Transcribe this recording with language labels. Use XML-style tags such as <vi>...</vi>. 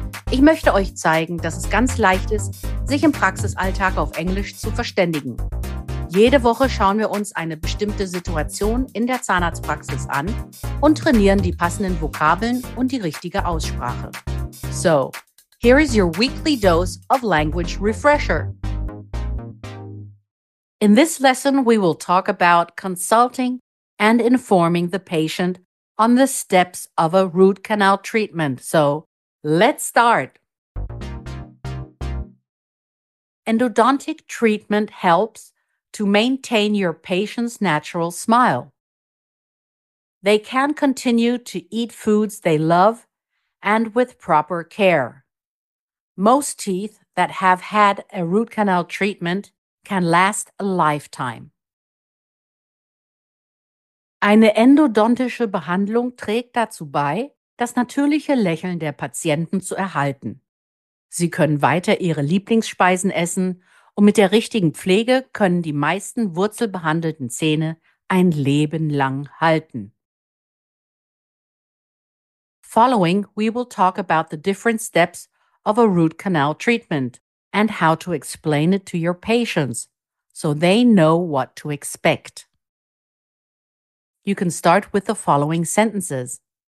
<de>Ich möchte euch zeigen, dass es ganz leicht ist, sich im Praxisalltag auf Englisch zu verständigen. Jede Woche schauen wir uns eine bestimmte Situation in der Zahnarztpraxis an und trainieren die passenden Vokabeln und die richtige Aussprache.</de> <en>So, here is your weekly dose of language refresher. In this lesson, we will talk about consulting and informing the patient on the steps of a root canal treatment. So, let's start! Endodontic treatment helps to maintain your patient's natural smile. They can continue to eat foods they love and with proper care. Most teeth that have had a root canal treatment can last a lifetime.</en> <de>Eine endodontische Behandlung trägt dazu bei, das natürliche Lächeln der Patienten zu erhalten. Sie können weiter ihre Lieblingsspeisen essen und mit der richtigen Pflege können die meisten wurzelbehandelten Zähne ein Leben lang halten.</de> <en>Following, we will talk about the different steps of a root canal treatment and how to explain it to your patients, so they know what to expect. You can start with the following sentences.</en>